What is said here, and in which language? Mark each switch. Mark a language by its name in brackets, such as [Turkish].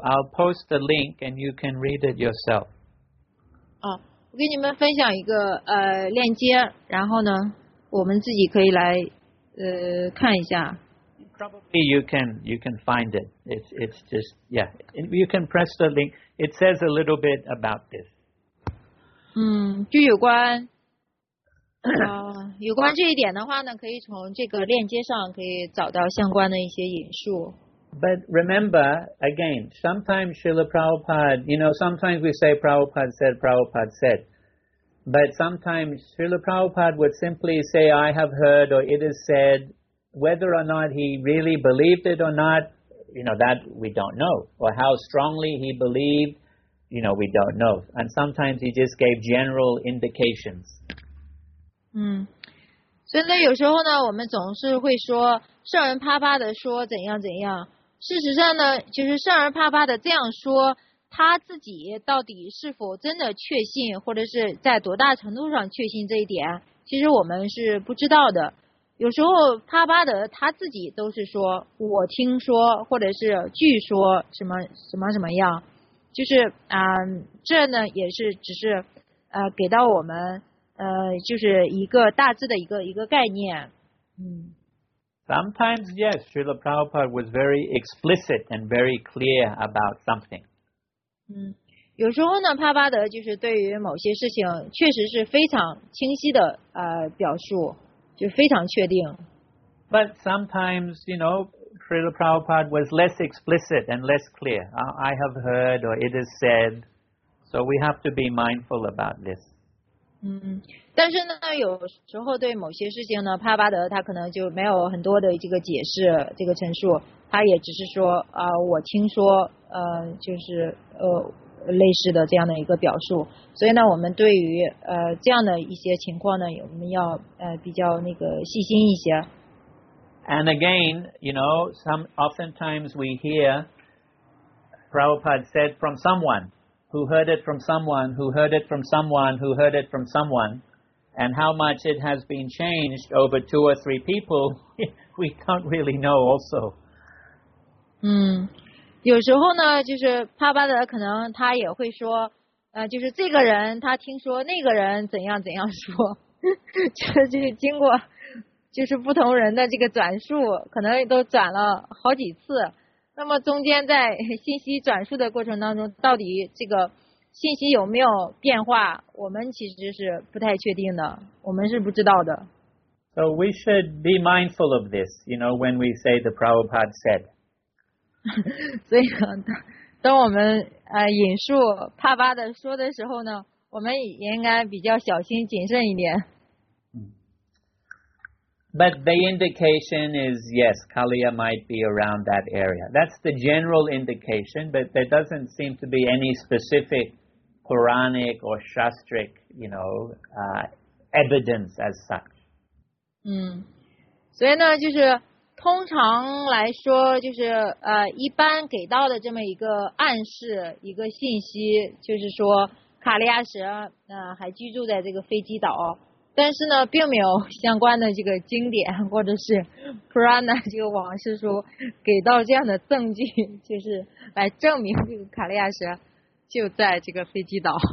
[English] I'll post the link and you can read it yourself. [Chinese] 哦，我给你们分享一个链接，然后呢，我们自己可以来看一下。 [English] Probably you can find it. It's just yeah. You can press the link. It says a little bit about this. [Chinese] 嗯，就有关。有关这一点的话呢，可以从这个链接上可以找到相关的一些引述。 [English] But remember, again, sometimes Srila Prabhupada, you know, sometimes we say Prabhupada said. But sometimes Srila Prabhupada would simply say, I have heard or it is said, whether or not he really believed it or not, you know, that we don't know. Or how strongly he believed, you know, we don't know. And sometimes he just gave general indications. [Chinese] 嗯，所以呢，有时候呢，我们总是会说圣人啪啪的说怎样怎样。事实上呢，就是圣人啪啪的这样说，他自己到底是否真的确信，或者是在多大程度上确信这一点，其实我们是不知道的。有时候啪啪的他自己都是说我听说，或者是据说什么什么什么样，就是啊、这呢也是只是给到我们。就是一个大致的一个概念。嗯。 [English] Sometimes, yes, Srila Prabhupada was very explicit and very clear about something. [Chinese] 嗯，有时候呢，帕巴德就是对于某些事情确实是非常清晰的表述，就非常确定。 [English] But sometimes, you know, Srila Prabhupada was less explicit and less clear. I have heard or it is said, so we have to be mindful about this. [Chinese] 嗯，但是呢，有时候对某些事情呢，帕巴德他可能就没有很多的这个解释，这个陈述，他也只是说我听说，就是类似的这样的一个表述。所以呢，我们对于这样的一些情况呢，我们要比较那个细心一些。 [English] And again, you know, oftentimes we hear Prabhupada said from someone. Who heard it from someone, who heard it from someone, who heard it from someone, and how much it has been changed over two or three people, we don't really know also. [Chinese] 嗯，有时候呢，就是帕巴德可能他也会说，就是这个人他听说那个人怎样怎样说，就是经过就是不同人的这个转述，可能都转了好几次。那么中间在信息转述的过程当中，到底这个信息有没有变化，我们其实是不太确定的，我们是不知道的。 [English] So we should be mindful of this, you know, when we say the Prabhupada said. [Chinese] 所以当我们引述帕巴的说的时候呢，我们也应该比较小心谨慎一点。 [English] But the indication is, yes, Kaliya might be around that area. That's the general indication, but there doesn't seem to be any specific Quranic or Shastric, you know, evidence as such. [Chinese] 所以呢，就是通常来说，就是一般给到的这么一个暗示，一个信息，就是说卡利亚什还居住在这个飞机岛。但是呢，并没有相关的这个经典或者是 Purana 这个往事书给到这样的证据，就是来证明这个卡利亚什就在这个飞机岛。